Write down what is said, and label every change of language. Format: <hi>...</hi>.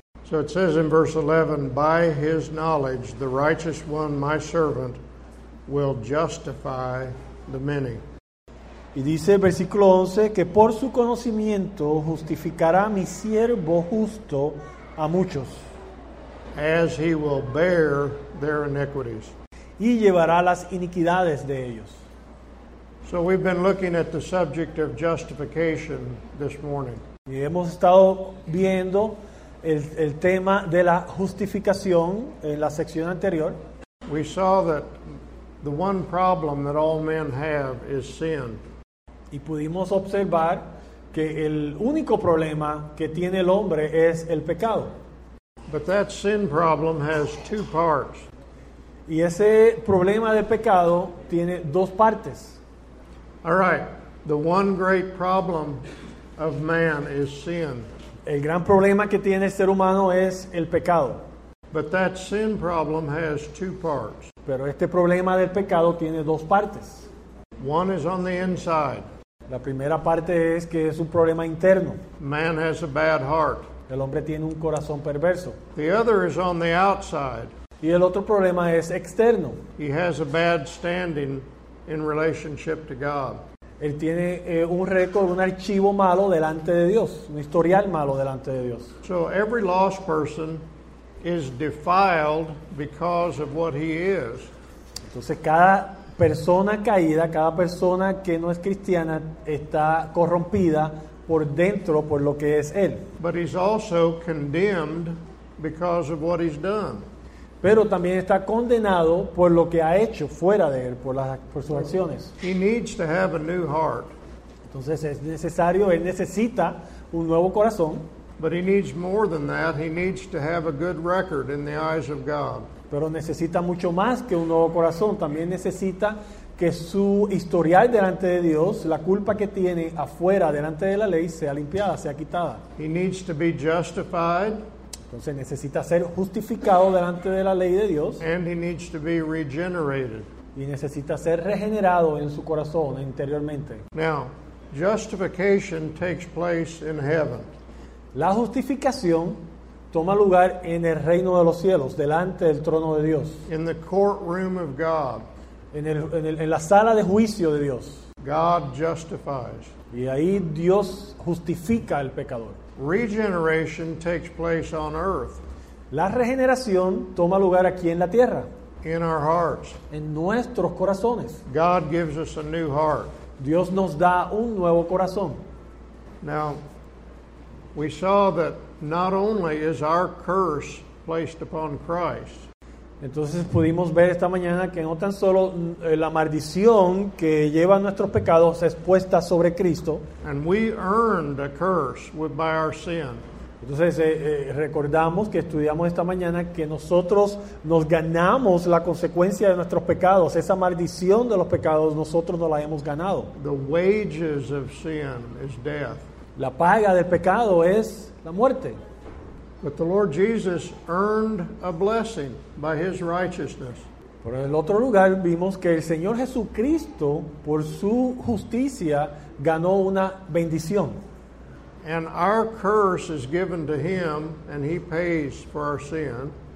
<en>So it says in verse 11, by his knowledge, the righteous one, my servant, will justify the many.</en> <es>Y dice el versículo 11, que por su conocimiento justificará mi siervo justo a muchos.</es> <en>As he will bear their iniquities.</en> <es>Y llevará las iniquidades de ellos.</es> <en>So we've been looking at the subject of justification this morning.</en> <es>Y hemos estado viendo el tema de la justificación en la sección anterior.</es> <en>We saw that the one problem that all men have is sin.</en> <es>Y pudimos observar que el único problema que tiene el hombre es el pecado.</es> <en>But that sin problem has two parts.</en> <es>Y ese problema de pecado tiene dos partes.</es> <en>All right, the one great problem of man is sin.</en> <es>El gran problema que tiene el ser humano es el pecado.</es> <en>But that sin problem has two parts.</en> <es>Pero este problema del pecado tiene dos partes.</es> <en>One is on the inside.</en> <es>La primera parte es que es un problema interno.</es> <en>Man has a bad heart.</en> <es>El hombre tiene un corazón perverso.</es> <en>The other is on the outside.</en> <es>Y el otro problema es externo.</es> <en>He has a bad standing in relationship to God.</en> <es>Él tiene un récord, un archivo malo delante de Dios, un historial malo delante de Dios.</es> <en>So every lost person is defiled because of what he is.</en> <es>Entonces cada persona caída, cada persona que no es cristiana está corrompida por dentro por lo que es él.</es> <en>But he's also condemned because of what he's done.</en> <es>Pero también está condenado por lo que ha hecho fuera de él, por sus acciones.</es> <en>He needs to have a new heart.</en> <es>Entonces es necesario, él necesita un nuevo corazón.</es> <en>But he needs more than that. He needs to have a good record in the eyes of God.</en> <es>Pero necesita mucho más que un nuevo corazón. También necesita que su historial delante de Dios, la culpa que tiene afuera delante de la ley, sea limpiada, sea quitada.</es> <en>He needs to be justified.</en> <es>Entonces necesita ser justificado delante de la ley de Dios.</es> <en>And he needs to be regenerated.</en> <es>Y necesita ser regenerado en su corazón interiormente.</es> <en>Now, justification takes place in heaven.</en> <es>La justificación toma lugar en el reino de los cielos, delante del trono de Dios.</es> <en>In the courtroom of God.</en> <es>En la sala de juicio de Dios.</es> <en>God justifies.</en> <es>Y ahí Dios justifica al pecador.</es> <en>Regeneration takes place on earth.</en> <es>La regeneración toma lugar aquí en la tierra.</es> <en>In our hearts.</en> <es>En nuestros corazones.</es> <en>God gives us a new heart.</en> <es>Dios nos da un nuevo corazón.</es> <en>Now, we saw that not only is our curse placed upon Christ.</en> <es>Entonces pudimos ver esta mañana que no tan solo la maldición que lleva nuestros pecados es puesta sobre Cristo.</es> <en>And we earned a curse with, by our sin.</en> <es>Entonces recordamos que estudiamos esta mañana que nosotros nos ganamos la consecuencia de nuestros pecados. Esa maldición de los pecados nosotros no la hemos ganado.</es> <en>The wages of sin is death.</en> <es>La paga del pecado es la muerte.</es> <en>But the Lord Jesus earned a blessing by his righteousness.</en> <es>Por el otro lugar vimos que el Señor Jesucristo por su justicia ganó una bendición.</es> <en>And our curse is given to him and he pays for our sin.</en>